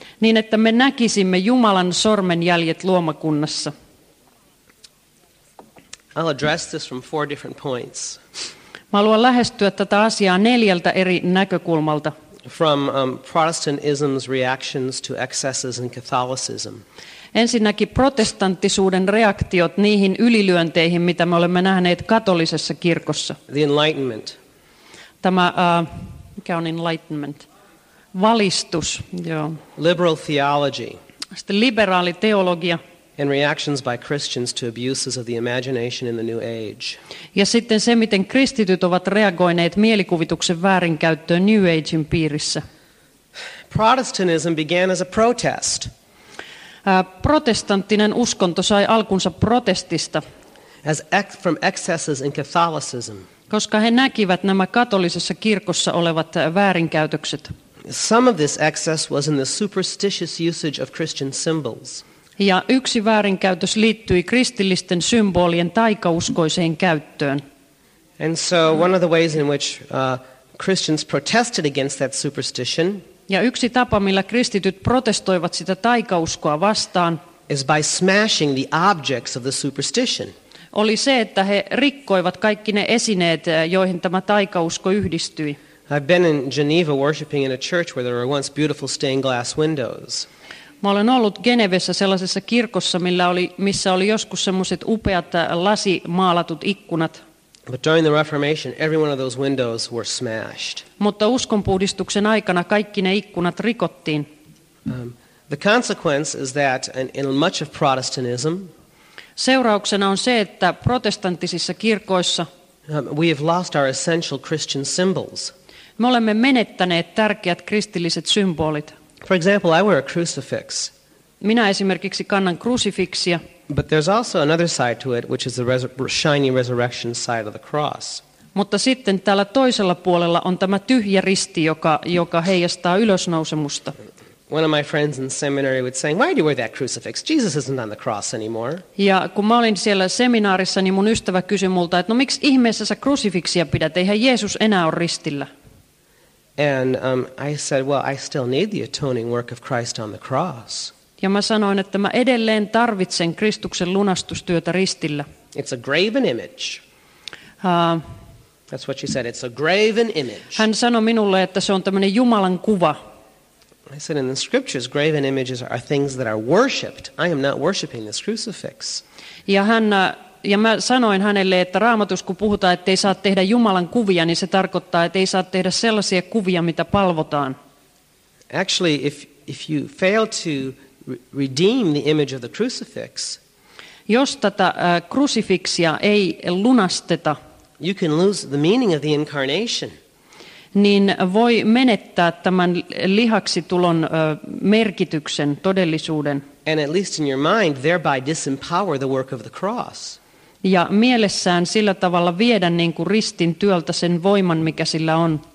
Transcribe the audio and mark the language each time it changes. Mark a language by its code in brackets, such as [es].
[fi] niin että me näkisimme Jumalan sormen jäljet luomakunnassa. [en] I'll address this from four different points. [fi] Mä haluan lähestyä tätä asiaa neljältä eri näkökulmalta. [en] From Protestantism's reactions to excesses in Catholicism. [fi] Ensinnäkin protestanttisuuden reaktiot niihin ylilyönteihin, mitä me olemme nähneet katolisessa kirkossa. [en] The Enlightenment. [fi] Tämä, mikä on Enlightenment? Valistus, joo. [en] Liberal theology. [fi] Sitten liberaali teologia. [en] And reactions by Christians to abuses of the imagination in the New Age. [fi] Ja sitten se, miten kristityt ovat reagoineet mielikuvituksen väärinkäyttöön New Agein piirissä. [en] Protestantism began as a protest. [fi] Protestanttinen uskonto sai alkunsa protestista. [en] From excesses in Catholicism. [fi] Koska he näkivät nämä katolisessa kirkossa olevat väärinkäytökset. [en] Some of this excess was in the superstitious usage of Christian symbols. [fi] Ja yksi väärinkäytös liittyi kristillisten symbolien taikauskoiseen käyttöön. [en] And so one of the ways in which Christians protested against that superstition. [fi] Ja yksi tapa, millä kristityt protestoivat sitä taikauskoa vastaan, [en] is by smashing the objects of the superstition. [fi] Oli se, että he rikkoivat kaikki ne esineet, joihin tämä taikausko yhdistyi. [en] I've been in Geneva worshiping in a church where there were once beautiful stained glass windows. [fi] Mä olen ollut Genevessä sellaisessa kirkossa, missä oli joskus semmoiset upeat lasimaalatut ikkunat. [en] But during the Reformation, every one of those windows were smashed. [fi] Mutta uskonpuhdistuksen aikana kaikki ne ikkunat rikottiin. [en] The consequence is that in much of Protestantism, [fi] seurauksena on se, että protestanttisissa kirkoissa [en] we have lost our essential Christian symbols. [fi] Me olemme menettäneet tärkeät kristilliset symbolit. [en] For example, I wear a crucifix. [fi] Minä esimerkiksi kannan krusifiksia. [en] But there's also another side to it, which is the shiny resurrection side of the cross. [fi] Mutta sitten tällä toisella puolella on tämä tyhjä risti, joka heijastaa ylösnousemusta. [en] One of my friends in seminary would say, "Why do you wear that crucifix? Jesus isn't on the cross anymore." [fi] Ja kun mä olin siellä seminaarissa, niin mun ystävä kysyi multa, että no miksi ihmeessä sä krusifiksia pidät? Eihän Jeesus enää ole ristillä. [en] And I said, "Well, I still need the atoning work of Christ on the cross." [fi] Ja mä sanoin, että mä edelleen tarvitsen Kristuksen lunastustyötä ristillä. [en] It's a graven image. That's what she said. It's a graven image. [fi] Hän sanoi minulle, että se on tämmöinen Jumalan kuva. [en] I said, in the scriptures, graven images are things that are worshipped. I am not worshipping this crucifix. [fi] Ja mä sanoin hänelle, että Raamatussa kun puhutaan, että ei saa tehdä Jumalan kuvia, niin se tarkoittaa, että ei saa tehdä sellaisia kuvia, mitä palvotaan. [en] Actually, if you fail to redeem the image of the crucifix, [fi] jos tätä krusifiksia ei lunasteta, [en] you can lose the meaning of the incarnation. [fi] Niin voi menettää tämän lihaksitulon merkityksen, todellisuuden. [en] And at least in your mind, thereby disempower the work of the cross. [fi] Ja mielessään sillä tavalla viedä niin kuin ristin työltä sen voiman, mikä sillä on.